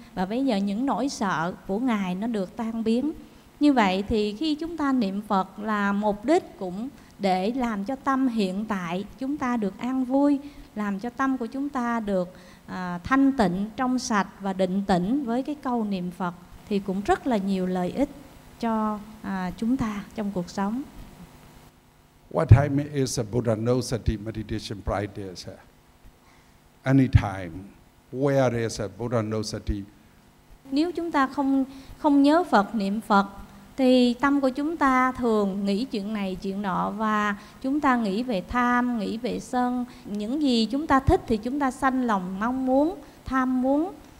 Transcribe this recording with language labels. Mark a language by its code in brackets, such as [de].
[vi] Và bây giờ những nỗi sợ của Ngài nó được tan biến. Như vậy thì khi chúng ta niệm Phật là mục đích cũng để làm cho tâm hiện tại chúng ta được an vui, làm cho tâm của chúng ta được thanh tịnh, trong sạch và định tĩnh với cái câu niệm Phật, thì cũng rất là nhiều lợi ích cho chúng ta trong cuộc sống. [en] What time is a Buddha Nosati meditation practice? Anytime. Where is a Buddha Nosati? [vi] Nếu chúng ta không nhớ Phật, niệm Phật, thì tâm của chúng ta thường nghĩ chuyện này chuyện nọ, và chúng ta nghĩ về tham, nghĩ về sân. Những gì chúng ta thích thì chúng ta sanh lòng mong muốn, tham muốn.